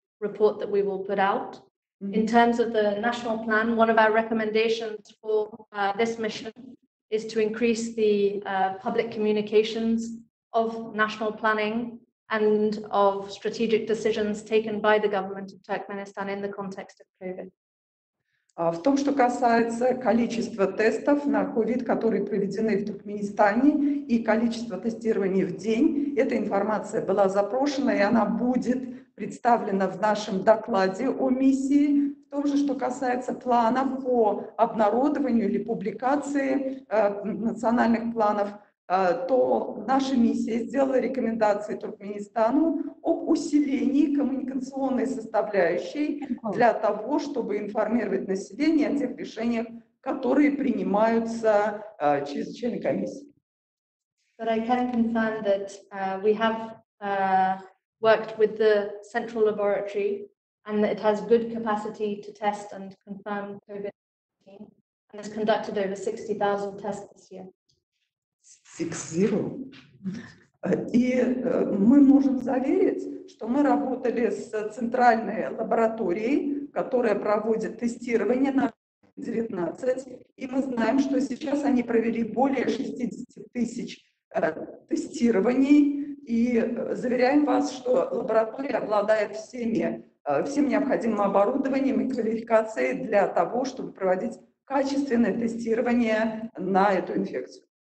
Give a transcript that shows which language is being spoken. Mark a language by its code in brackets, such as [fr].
[en] report that we will put out. Mm-hmm. In terms of the national plan, one of our recommendations for this mission is to increase the public communications of national planning and of strategic decisions taken by the government of Turkmenistan in the context of COVID. [ru] В том, что касается количества тестов на COVID, которые проведены в Туркменистане, и количество тестирований в день, эта информация была запрошена, и она будет представлена в нашем докладе о миссии. В том же, что касается плана по обнародованию или публикации национальных планов, то наша миссия сделала рекомендации Туркменистану об усилении коммуникационной составляющей для того, чтобы информировать население о тех решениях, которые принимаются через члены комиссии. [en] But I can confirm that we have worked with the central laboratory and that it has good capacity to test and confirm COVID-19 and has conducted over 60,000 tests this year. 60. [ru] И мы можем заверить, что мы работали с центральной лабораторией, которая проводит тестирование на COVID-19, и мы знаем, что сейчас они провели более 60 тысяч тестирований, и заверяем вас, что лаборатория обладает всем необходимым оборудованием и квалификацией для того, чтобы проводить качественное тестирование на эту инфекцию.